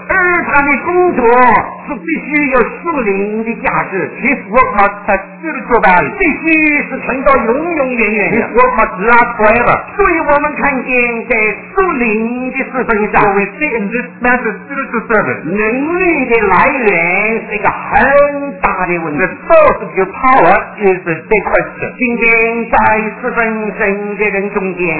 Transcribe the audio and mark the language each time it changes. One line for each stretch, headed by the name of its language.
Chinese: 而他的工作是必须有属灵的价值,
English: his work must have spiritual value,
Chinese: 必须是存到永永远远的,
English: his work must last forever.
Chinese: 所以我们看见在属灵的事情上,
English: so we see in this matter of spiritual service,
Chinese: 能力的来源是一个很大的问题,
English: the source of your power is a big question.
Chinese: 今天在侍奉神的人中间,